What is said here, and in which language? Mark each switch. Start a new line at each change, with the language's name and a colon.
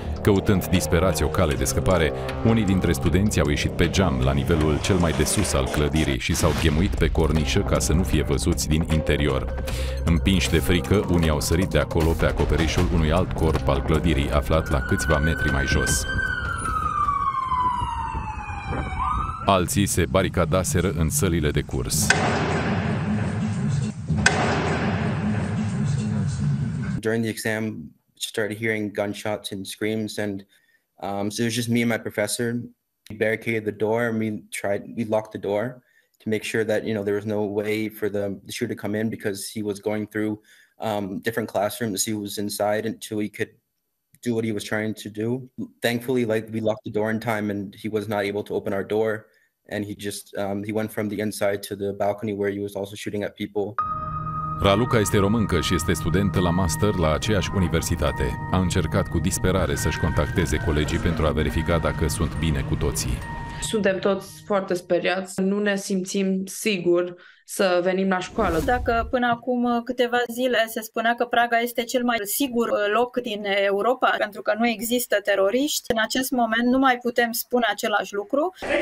Romanian: Căutând disperați o cale de scăpare, unii dintre studenți au ieșit pe geam la nivelul cel mai de sus al clădirii și s-au ghemuit pe cornișă ca să nu fie văzuți din interior. Împinși de frică, unii au sărit de acolo pe acoperișul unui alt corp al clădirii, aflat la câțiva metri mai jos. Alții se baricadaseră în sălile de curs.
English: During the exam, started hearing gunshots and screams, and so it was just me and my professor. We barricaded the door, and we locked the door to make sure that, you know, there was no way for the shooter to come in, because he was going through different classrooms. He was inside until he could do what he was trying to do. Thankfully, like, we locked the door in time, and he was not able to open our door, and he just he went from the inside to the balcony where he was also shooting at people.
Romanian: Raluca este româncă și este studentă la master la aceeași universitate. A încercat cu disperare să-și contacteze colegii pentru a verifica dacă sunt bine cu toții. Suntem toți foarte speriați, nu ne simțim siguri să venim la școală. Dacă până acum câteva zile se spunea că Praga este cel mai sigur loc din Europa pentru că nu există teroriști, în acest moment nu mai putem spune același lucru.